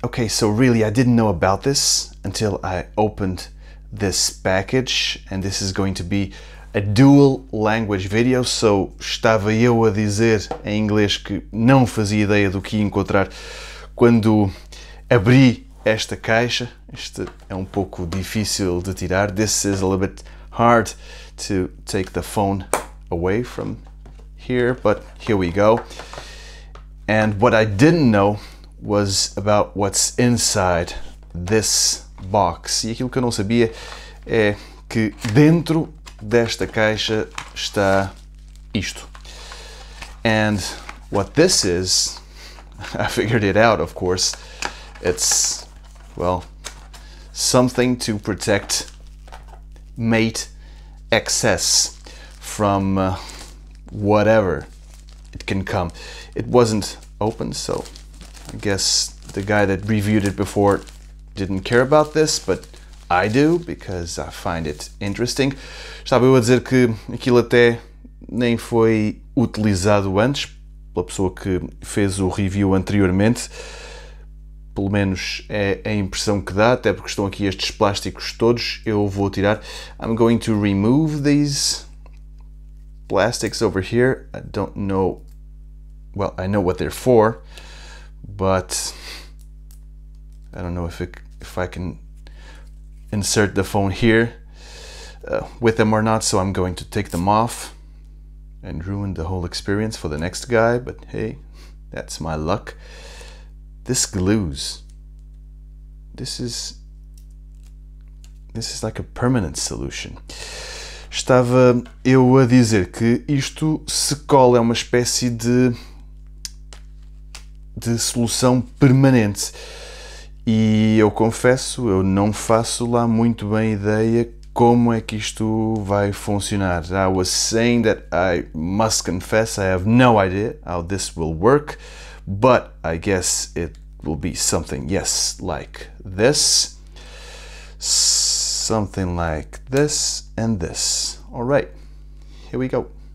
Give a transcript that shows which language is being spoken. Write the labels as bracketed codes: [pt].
[en] Okay, so really, I didn't know about this until I opened this package, and this is going to be a dual language video. [pt] So, estava eu a dizer em inglês que não fazia ideia do que ia encontrar quando abri esta caixa. Este é pouco difícil de tirar. [en] This is a little bit hard to take the phone away from here, but here we go. And what I didn't know was about what's inside this box. [pt] E aquilo que eu não sabia é que dentro desta caixa está isto. [en] And what this is, I figured it out, of course. It's, well, something to protect Mate Xs from whatever it can come. It wasn't open, so I guess the guy that reviewed it before didn't care about this, but I do, because I find it interesting. [pt] Estava eu a dizer que aquilo até nem foi utilizado antes pela pessoa que fez o review anteriormente. Pelo menos é a impressão que dá, até porque estão aqui estes plásticos todos. Eu vou tirar. [en] I'm going to remove these plastics over here. I don't know. Well, I know what they're for, but I don't know if I can insert the phone here with them or not, so I'm going to take them off and ruin the whole experience for the next guy, but hey, that's my luck. This glues. This is like a permanent solution. [pt] Estava eu a dizer que isto se cola, é uma espécie de solução permanente. E eu confesso, eu não faço lá muito bem ideia como é que isto vai funcionar. [en] I was saying that I must confess I have no idea how this will work, but I guess it will be something, yes, like this. Something like this and this. All right, here we go.